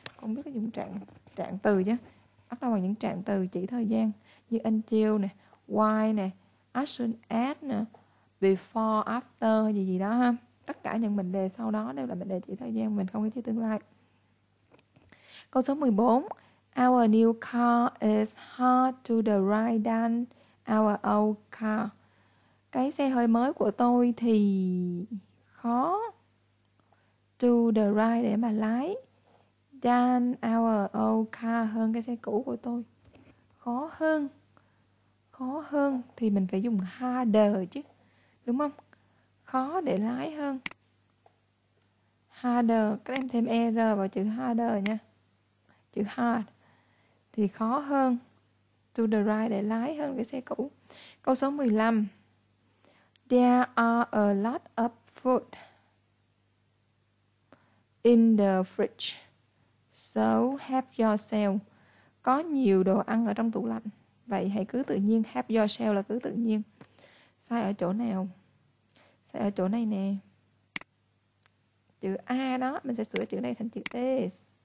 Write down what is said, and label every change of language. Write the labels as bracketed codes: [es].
[vi] Không biết là dùng trạng trạng từ chứ. Bắt đầu bằng những trạng từ chỉ thời gian như until nè, while nè, action at nè, before, after gì gì đó ha. Tất cả những mệnh đề sau đó đều là mệnh đề chỉ thời gian, mình không có chia tương lai. Câu số 14. [en] Our new car is hard to drive than our old car. [vi] Cái xe hơi mới của tôi thì khó [en] to drive [vi] để mà lái [en] than our old car [vi] hơn cái xe cũ của tôi. Khó hơn. Khó hơn thì mình phải dùng harder chứ. Đúng không? Khó để lái hơn. Harder, các em thêm er vào chữ harder nha. Chữ hard thì khó hơn. To drive để lái hơn cái xe cũ. Câu số 15. [en] There are a lot of food in the fridge. So help yourself. [vi] Có nhiều đồ ăn ở trong tủ lạnh. Vậy hãy cứ tự nhiên. Help yourself là cứ tự nhiên. Sai ở chỗ nào? Sai ở chỗ này nè. Chữ A đó, mình sẽ sửa chữ này thành chữ is.